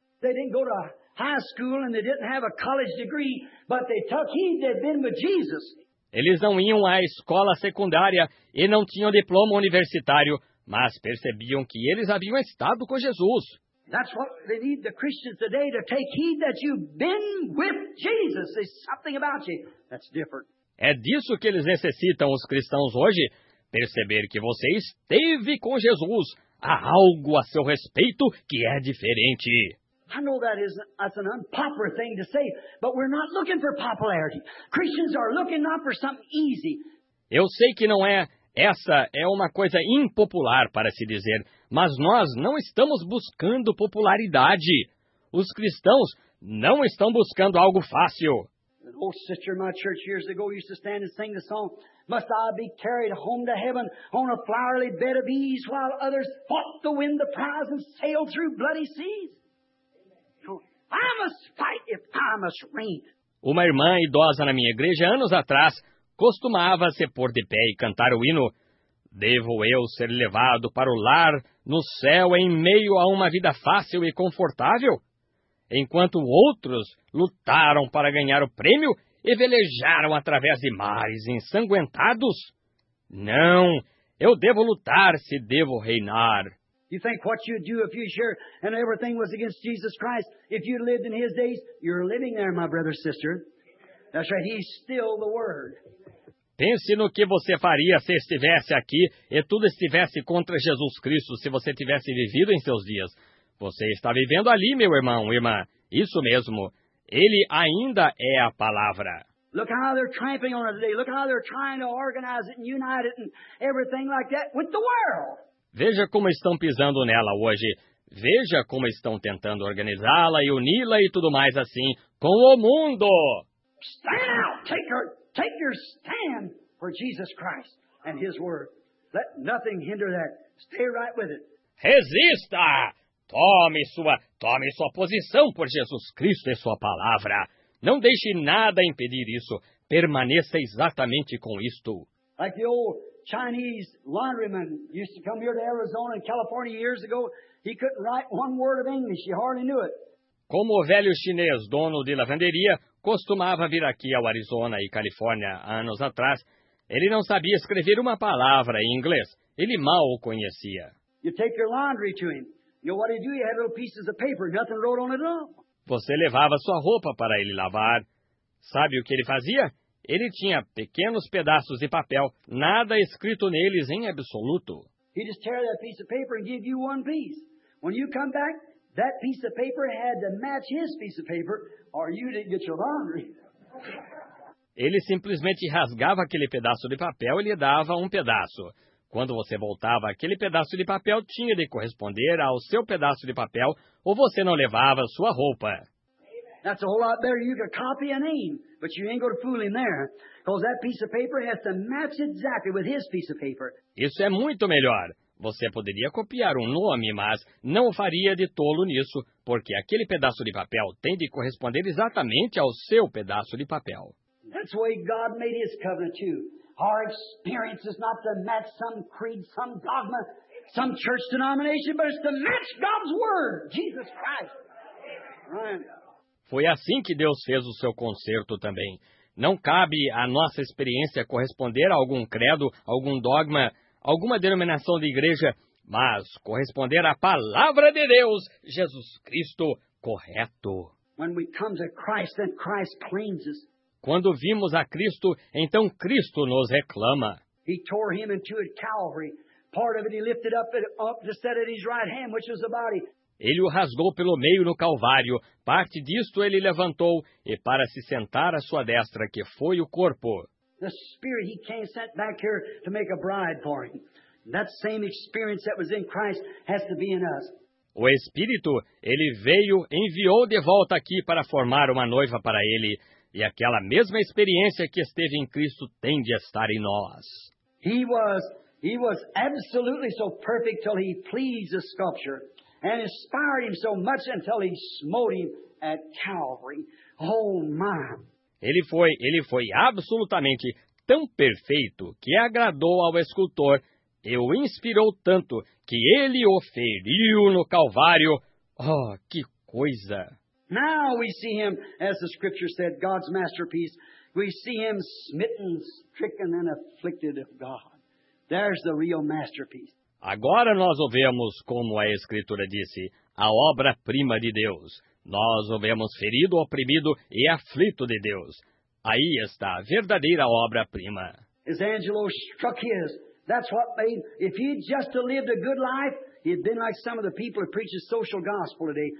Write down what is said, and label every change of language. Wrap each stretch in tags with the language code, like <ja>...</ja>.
<en>They didn't go to high school and they didn't have a college degree, but they took heed they'd been with Jesus.</en> <pt>Eles não iam à escola secundária e não tinham diploma universitário, mas percebiam que eles haviam estado com Jesus.</pt> <en>That's what they need the Christians today to take heed that you've been with Jesus. There's something about you that's different.</en> <pt>É disso que eles necessitam os cristãos hoje, perceber que você esteve com Jesus. Há algo a seu respeito que é diferente.</pt> <en>I know that is an unpopular thing to say, but we're not looking for popularity. Christians are looking not for something easy.</en> <pt>Eu sei que não é. Essa é uma coisa impopular para se dizer, mas nós não estamos buscando popularidade. Os cristãos não estão buscando algo fácil.</pt> <en>An old sister in my church years ago used to stand and sing the song, "Must I be carried home to heaven on a flowery bed of ease while others fought to win the prize and sailed through bloody seas?" I must fight if I must reign.</en> <pt>Uma irmã idosa na minha igreja, anos atrás, costumava se pôr de pé e cantar o hino, "Devo eu ser levado para o lar, no céu, em meio a uma vida fácil e confortável?" Enquanto outros lutaram para ganhar o prêmio e velejaram através de mares ensanguentados. Não, eu devo lutar se devo reinar.</pt> <en>You think what you'd do if you sure and everything was against Jesus Christ, if you lived in his days, you're living there, my brother, sister. That's right, he's still the word.</en> <pt>Pense no que você faria se estivesse aqui e tudo estivesse contra Jesus Cristo, se você tivesse vivido em seus dias. Você está vivendo ali, meu irmão, irmã. Isso mesmo. Ele ainda é a palavra.</pt> <en>Look how they're tramping on it today. Look how they're trying to organize it and unite it and everything like that with the world.</en> <pt>Veja como estão pisando nela hoje. Veja como estão tentando organizá-la e uni-la e tudo mais assim com o mundo.</pt> <en>Stand out. Take your stand for Jesus Christ and his word. Let nothing hinder that. Stay right with it.</en> <pt>Resista! Tome sua posição por Jesus Cristo e sua palavra. Não deixe nada impedir isso. Permaneça exatamente com isto.</pt> <en>Like the old Chinese laundryman used to come here to Arizona and California years ago. He couldn't write one word of English. He hardly knew it.</en> <pt>Como o velho chinês, dono de lavanderia, costumava vir aqui ao Arizona e Califórnia anos atrás, ele não sabia escrever uma palavra em inglês. Ele mal o conhecia.</pt> <en>You take your laundry to him. You know what he'd do? He had little pieces of paper, nothing wrote on it at all.</en> <pt>Você levava sua roupa para ele lavar. Sabe o que ele fazia? Ele tinha pequenos pedaços de papel, nada escrito neles em absoluto.</pt> <en>He'd just tear that piece of paper and give you one piece. When you come back, that piece of paper had to match his piece of paper, or you didn't get your laundry.</en> <pt>Ele simplesmente rasgava aquele pedaço de papel e lhe dava um pedaço. Quando você voltava, aquele pedaço de papel tinha de corresponder ao seu pedaço de papel, ou você não levava sua roupa.</pt> <en>That's a whole lot better. You could copy a name, but you ain't going to fool him there. Because that piece of paper has to match exactly with his piece of paper.</en> <pt>Isso é muito melhor. Você poderia copiar um nome, mas não faria de tolo nisso, porque aquele pedaço de papel tem de corresponder exatamente ao seu pedaço de papel.</pt> <en>That's why God made his covenant too. Our experience is not to match some creed, some dogma, some church denomination, but it's to match God's word, Jesus Christ. Right.</en> <pt>Foi assim que Deus fez o seu concerto também. Não cabe à nossa experiência corresponder a algum credo, algum dogma, alguma denominação de igreja, mas corresponder à palavra de Deus, Jesus Cristo, correto.</pt> <en>When we come to Christ, then Christ cleanses.</en> <pt>Quando vimos a Cristo, então Cristo nos reclama.</pt> <en>He tore him in two at Calvary. Part of it he lifted up to set at his right hand, which was the body.</en> <pt>Ele o rasgou pelo meio no Calvário. Parte disto ele levantou, e para se sentar à sua destra, que foi o corpo.</pt> <en>The Spirit he came sent back here to make a bride for him. That same experience that was in Christ has to be in us.</en> <pt>O Espírito, ele veio, enviou de volta aqui para formar uma noiva para ele. E aquela mesma experiência que esteve em Cristo tem de estar em nós.</pt> <en>He was absolutely so perfect till he pleased the sculpture. And inspired him so much until he smote him at Calvary. Oh, my.</en> <pt>Ele foi absolutamente tão perfeito que agradou ao escultor e o inspirou tanto que ele o feriu no Calvário. Oh, que coisa!</pt> <en>Now we see him, as the scripture said, God's masterpiece. We see him smitten, stricken and afflicted of God. There's the real masterpiece.</en> <pt>Agora nós o vemos, como a escritura disse, a obra-prima de Deus. Nós o vemos ferido, oprimido e aflito de Deus. Aí está a verdadeira obra-prima.</pt> <en>As Angelo struck his. That's what made, if he'd just lived a good life, he'd been like some of the people who preach the social gospel today.</en>